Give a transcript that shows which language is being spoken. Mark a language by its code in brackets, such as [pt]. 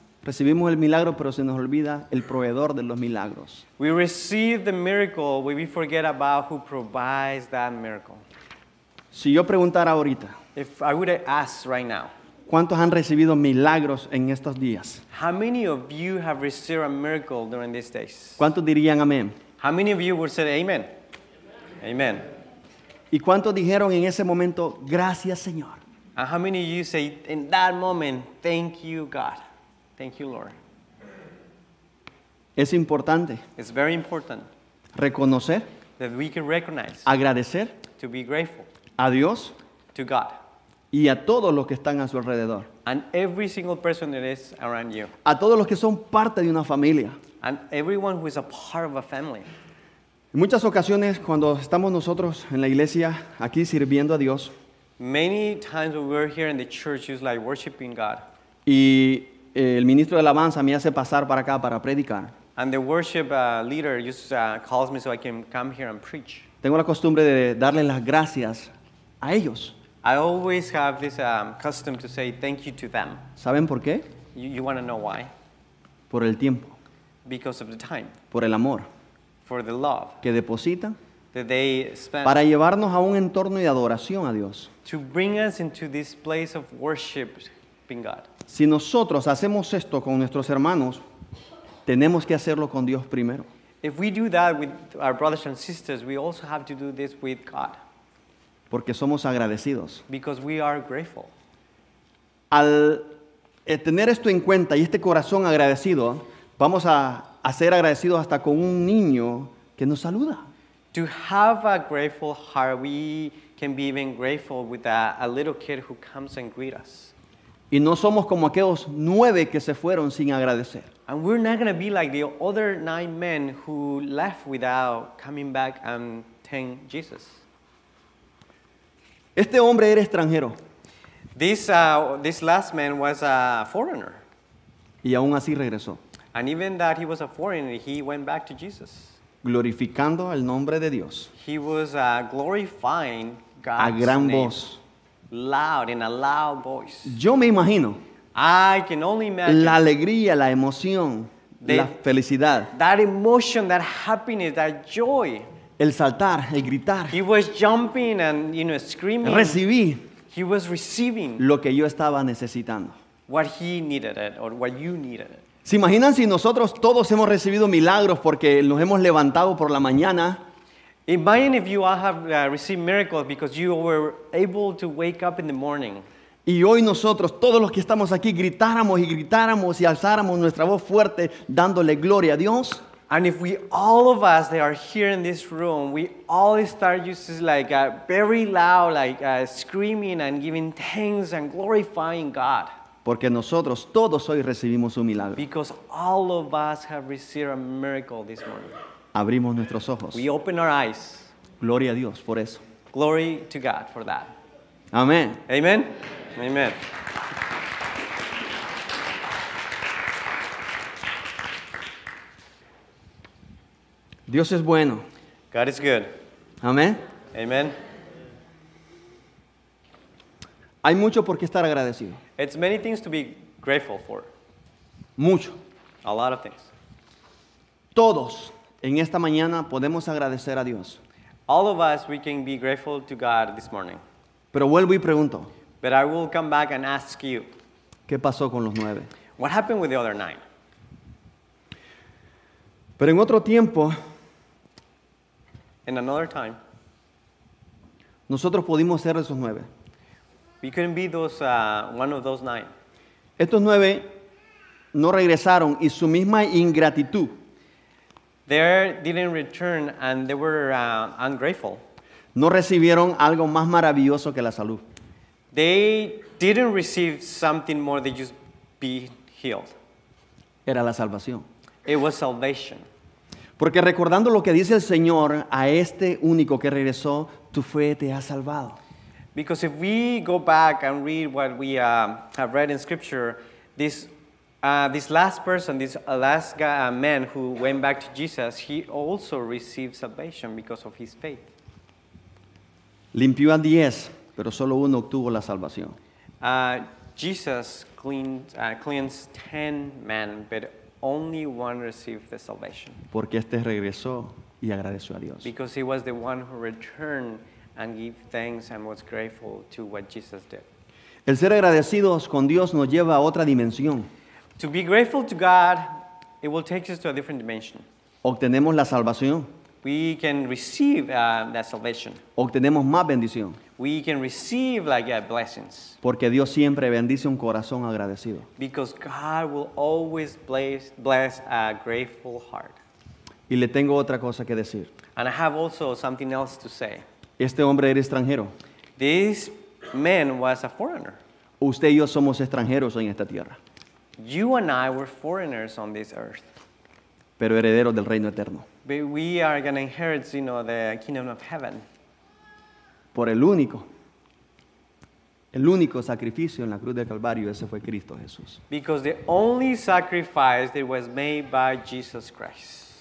[es] Recibimos el milagro, pero se nos olvida el proveedor de los milagros. [en] We receive the miracle, but we forget about who provides that miracle. [es] Si yo preguntara ahorita, [en] if I would ask right now, [es] ¿cuántos han recibido milagros en estos días? [en] How many of you have received a miracle during these days? [es] ¿Cuántos dirían amén? [en] How many of you would say amen? Amen. [es] ¿Y cuántos dijeron en ese momento, gracias Señor? [en] And how many of you say in that moment, thank you God? Thank you, Lord. [es] Es importante. [en] It's very important. [es] Reconocer. [en] that we can recognize, [es] agradecer, [en] to be grateful, [es] a Dios, [en] to God, [es] y a todos los que están a su alrededor, [en] and every single person that is around you, [es] a todos los que son parte de una familia, [en] and everyone who is a part of a family. [es] En muchas ocasiones cuando estamos nosotros en la iglesia aquí sirviendo a Dios, [en] many times when we're here in the church it's like worshiping God, [es] y el ministro de alabanza me hace pasar para acá para predicar, [en] and the worship leader just calls me so I can come here and preach. [es] Tengo la costumbre de darle las gracias a ellos. [en] I always have this custom to say thank you to them. [es] ¿Saben por qué? [en] You want to know why? [es] Por el tiempo. [en] Because of the time. [es] Por el amor. [en] For the love. [es] Que deposita. [en] That they spend. [es] Para llevarnos a un entorno de adoración a Dios. [en] To bring us into this place of worship in God. [es] Si nosotros hacemos esto con nuestros hermanos, tenemos que hacerlo con Dios primero. [en] If we do that with our brothers and sisters, we also have to do this with God. [es] Porque somos agradecidos. [en] Because we are grateful. [es] Al tener esto en cuenta y este corazón agradecido, vamos a ser agradecidos hasta con un niño que nos saluda. [en] To have a grateful heart, we can be even grateful with a little kid who comes and greets us. [es] Y no somos como aquellos nueve que se fueron sin agradecer. [en] And we're not going to be like the other nine men who left without coming back and thank Jesus. [es] Este hombre era extranjero. [en] This last man was a foreigner. [es] Y aún así regresó. [en] And even that he was a foreigner, he went back to Jesus. [es] Glorificando el nombre de Dios. [en] He was glorifying God's [es] a gran [en] name. [es] Voz. [en] Loud, in a loud voice. [es] Yo me imagino. [en] I can only imagine. [es] La alegría, la emoción, la felicidad. [en] That emotion, that happiness, that joy. [es] El saltar, el gritar. [en] He was jumping and, you know, screaming. [es] Recibí. [en] He was receiving. [es] Lo que yo estaba necesitando. [en] What he needed it, or what you needed it. [es] ¿Se imaginan si nosotros todos hemos recibido milagros porque nos hemos levantado por la mañana? [en] Imagine if you all have received miracles because you were able to wake up in the morning. [es] Y hoy nosotros, todos los que estamos aquí, gritáramos y gritáramos y alzáramos nuestra voz fuerte, dándole gloria a Dios. [en] And if we, all of us that are here in this room, we all start just like very loud, like screaming and giving thanks and glorifying God. [es] Porque nosotros todos hoy recibimos un milagro. [en] Because all of us have received a miracle this morning. [es] Abrimos nuestros ojos. [en] We open our eyes. [es] Gloria a Dios por eso. [en] Glory to God for that. [es] Amén. [en] Amen. Amen. [es] Dios es bueno. [en] God is good. [es] Amén. [en] Amen. [es] Hay mucho por qué estar agradecido. [en] It's many things to be grateful for. [es] Mucho. [en] A lot of things. [es] Todos en esta mañana podemos agradecer a Dios. [en] All of us, we can be grateful to God this morning. [es] Pero vuelvo y pregunto. [en] But I will come back and ask you. [es] ¿Qué pasó con los nueve? [en] What happened with the other nine? [es] Pero en otro tiempo. [en] In another time. [es] Nosotros pudimos ser esos nueve. [en] We couldn't be those one of those nine. [es] Estos nueve no regresaron y su misma ingratitud. [en] They didn't return and they were ungrateful. [es] No recibieron algo más maravilloso que la salud. [en] They didn't receive something more than just be healed. [es] Era la salvación. [en] It was salvation. [es] Porque recordando lo que dice el Señor a este único que regresó, tu fe te ha salvado. [en] Because if we go back and read what we have read in Scripture, this last person, this last man who went back to Jesus, he also received salvation because of his faith. [es] Limpió a 10, pero solo uno obtuvo la salvación. [en] Jesus cleansed 10 men, but only one received the salvation. [es] Porque este regresó y agradeció a Dios. [en] Because he was the one who returned and give thanks and was grateful to what Jesus did. [es] El ser agradecidos con Dios nos lleva a otra dimensión. [en] To be grateful to God, it will take us to a different dimension. [es] Obtenemos la salvación. [en] We can receive that salvation. [es] Obtenemos más bendición. [en] We can receive like blessings. [es] Porque Dios siempre bendice un corazón agradecido. [en] Because God will always bless a grateful heart. [es] Y le tengo otra cosa que decir. [en] And I have also something else to say. [es] Este hombre era extranjero. [en] This man was a foreigner. [es] Usted y yo somos extranjeros en esta tierra. [en] You and I were foreigners on this earth. [es] Pero herederos del reino eterno. [en] But we are going to inherit, you know, the kingdom of heaven. [es] Por el único. El único sacrificio en la cruz del Calvario, ese fue Cristo Jesús. [en] Because the only sacrifice that was made by Jesus Christ.